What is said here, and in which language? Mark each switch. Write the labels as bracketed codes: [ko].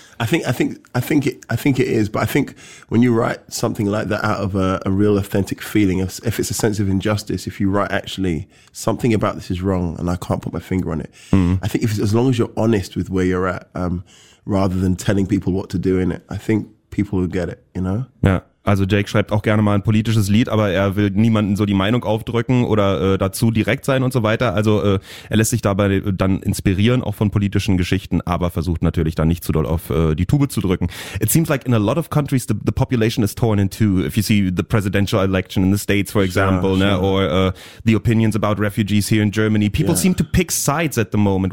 [en] I think it is, but I think when you write something like that out of a real authentic feeling, if it's a sense of injustice, if you write actually something about this is wrong and I can't put my finger on it, I think as long as you're honest with where you're at, rather than telling people what to do in it, I think people will get it, you know. Yeah. [de] Also Jake schreibt auch gerne mal ein politisches Lied, aber er will niemanden so die Meinung aufdrücken oder dazu direkt sein und so weiter. Also er lässt sich dabei dann inspirieren auch von politischen Geschichten, aber versucht natürlich dann nicht zu doll auf die Tube zu drücken. [en] It seems like in a lot of countries the population is torn in two. If you see the presidential election in the States, for example, the opinions about refugees here in Germany, people seem to pick sides at the moment.